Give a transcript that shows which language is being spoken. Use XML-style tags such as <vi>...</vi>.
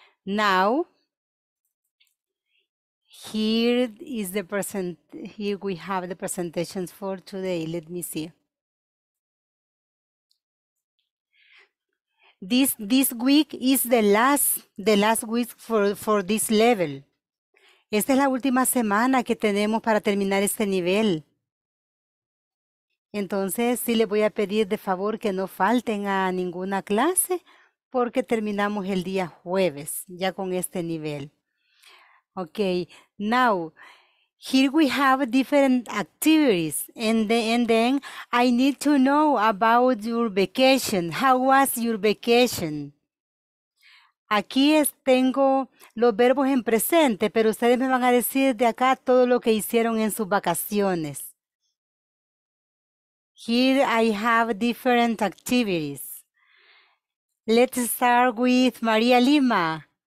<en>Now, here we have the presentations for today. Let me see. This week is the last week for this level.</en> <es>Esta es la última semana que tenemos para terminar este nivel. Entonces, sí les voy a pedir de favor que no falten a ninguna clase porque terminamos el día jueves ya con este nivel.</es> <en>Okay, now here we have different activities, and then I need to know about your vacation. How was your vacation?</en> <es>Aquí tengo los verbos en presente, pero ustedes me van a decir de acá todo lo que hicieron en sus vacaciones.</es> <en>Here I have different activities. Let's start with Maria Lima.</en>